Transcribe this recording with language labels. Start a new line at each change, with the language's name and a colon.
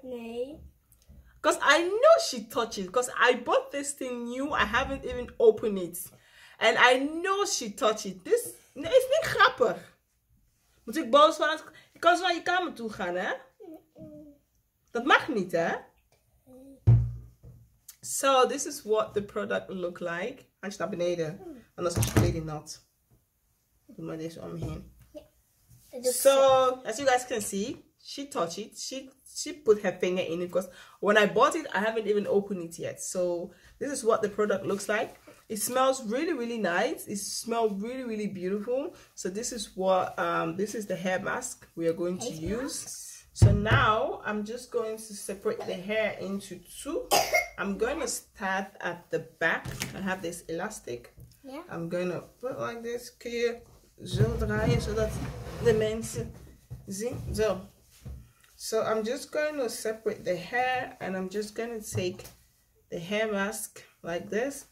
Dutch: Nee.
English: Because I know she touched it. Because I bought this thing new. I haven't even opened it. And I know she touched it.
Dutch: This nee, is niet grappig. Moet ik boos van het... Ik kan zo naar je kamer toe gaan, hè? Dat mag niet, hè?
English: So, this is what the product look like.
Dutch: Handje naar beneden. Anders is het kleding nat. Doe maar deze omheen.
English: So, as you guys can see, she touched it. She put her finger in it. Because when I bought it, I haven't even opened it yet. So, this is what the product looks like. It smells really, really nice. It smells really, really beautiful. So, this is what, this is the hair mask we are going to use. So, now, I'm just going to separate the hair into two. I'm going to start at the back. I have this elastic. Yeah. I'm going to put like this.
Dutch: Kun je zo draaien, zodat de mensen zien. Zo.
English: So, I'm just going to separate the hair. And I'm just going to take the hair mask like this.